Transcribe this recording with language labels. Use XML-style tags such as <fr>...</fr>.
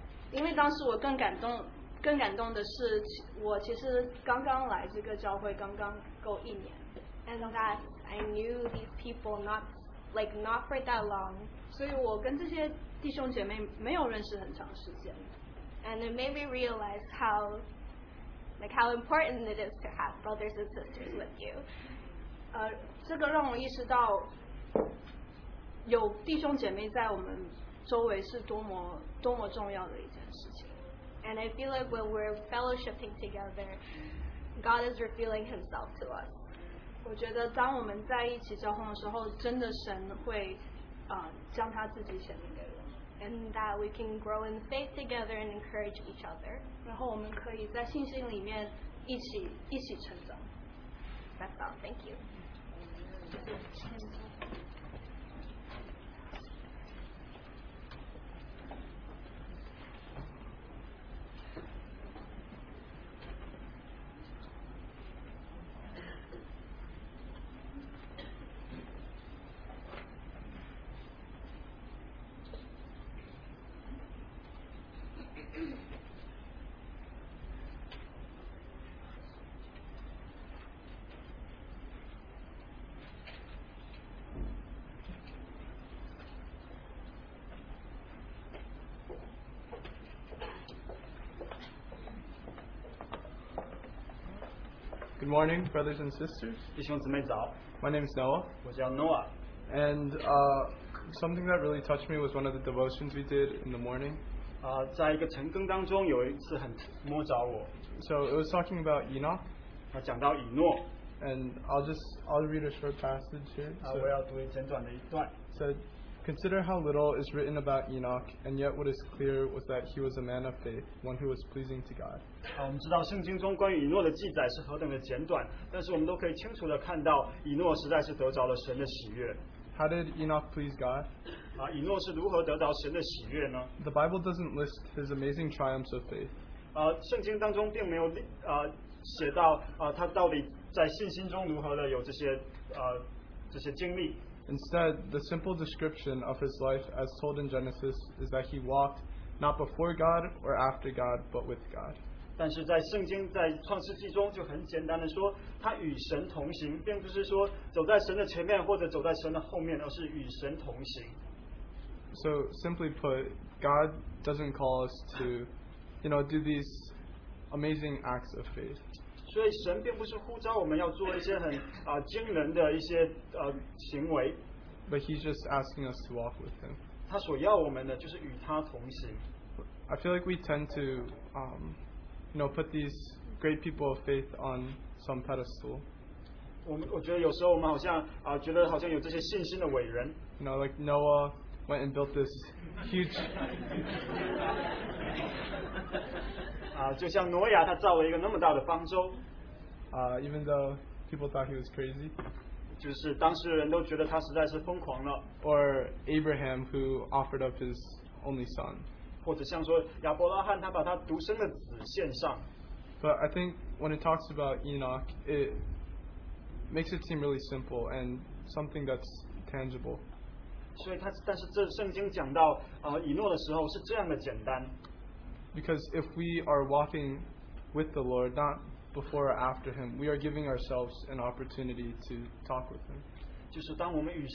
<zh>因为当时我更感动的是，我其实刚刚来这个教会刚刚够一年。</zh> <en>And that I knew these people not for that long.</en> <zh>所以我跟这些弟兄姐妹没有认识很长时间。</zh> <en>And it made me realize how important it is to have brothers and sisters with you.</en> <zh>这个让我意识到有弟兄姐妹在我们周围是多么重要的一件事情。</zh> <en>And I feel like when we're fellowshipping together, God is revealing himself to us.</en> <zh>我觉得当我们在一起交通的时候，真的神会将他自己显明给我。</zh> <en>And that we can grow in faith together and encourage each other.</en> <zh>然后我们可以在信心里面一起成长。</zh> <en>That's all. Thank you. Good morning, brothers and sisters.</en> <zh>弟兄姊妹早。</zh> <en>My name is Noah.</en> <zh>我叫 Noah.</zh> <en>And something that really touched me was one of the devotions we did in the morning.</en> <zh>在一个晨更当中有一次很摸着我。</zh> <en>So it was talking about Enoch.</en> <zh>他讲到以诺。</zh> <en>And I'll read a short passage here.</en> <zh>我要读一简短的一段。</zh> <en>So consider how little is written about Enoch, and yet what is clear was that he was a man of faith, one who was pleasing to God.</en> <zh>我们知道圣经中关于以诺的记载是何等的简短，但是我们都可以清楚地看到以诺实在是得着了神的喜悦。</zh> <en>How did Enoch please God?</en> <zh>以诺是如何得到神的喜悦呢？</zh> <en>The Bible doesn't list his amazing triumphs of faith.</en> <zh>圣经当中并没有写到他到底在信心中如何的有这些经历。</zh> <en>Instead, the simple description of his life as told in Genesis is that he walked not before God or after God, but with God.</en> <zh>但是在圣经在创世纪中就很简单的说，他与神同行，并不是说走在神的前面或者走在神的后面，而是与神同行。</zh> <en>So simply put, God doesn't call us to, you know, do these amazing acts of faith.</en> <zh>所以神并不是呼召我们要做一些很惊人的一些行为。</zh> <en>But he's just asking us to walk with him.</en> <zh>他所要我们的就是与他同行。</zh> <en>I feel like we tend to, you know, put these great people of faith on some pedestal.</en> <zh>我觉得有时候我们好像觉得好像有这些信心的伟人。</zh> <en>You know, like Noah went and built this huge.</en> <zh>就像挪亚他造了一个那么大的方舟。</zh> <en>Even though people thought he was crazy.</en> <zh>就是当时人都觉得他实在是疯狂了。</zh> <en>Or Abraham who offered up his only son.</en> <zh>或者像说亚伯拉罕他把他独生的子献上。</zh> <en>But I think when it talks about Enoch, it makes it seem really simple and something that's tangible.</en> <zh>所以他但是这圣经讲到以诺的时候是这样的简单。</zh> <en>Because if we are walking with the Lord, not before or after him, we are giving ourselves an opportunity to talk with him.</en>